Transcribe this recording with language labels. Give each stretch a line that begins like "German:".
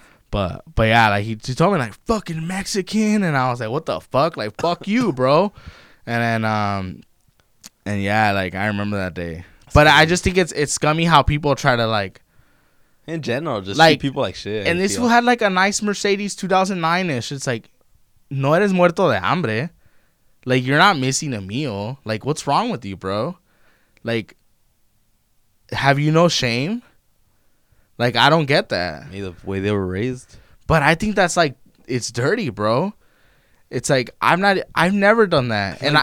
English: But yeah, like he told me like fucking Mexican, and I was like, what the fuck? Like fuck you, bro. And then and yeah, like I remember that day. But I just think it's scummy how people try to like in general, just like, treat people like shit. And this fool had like a nice Mercedes 2009-ish. It's like,
Spanish: no eres muerto de hambre.
English: Like you're not missing a meal. Like what's wrong with you, bro? Like have you no shame? Like, I don't get that. Maybe the way they were raised. But I think that's, like, it's dirty, bro. It's like, I've never done that.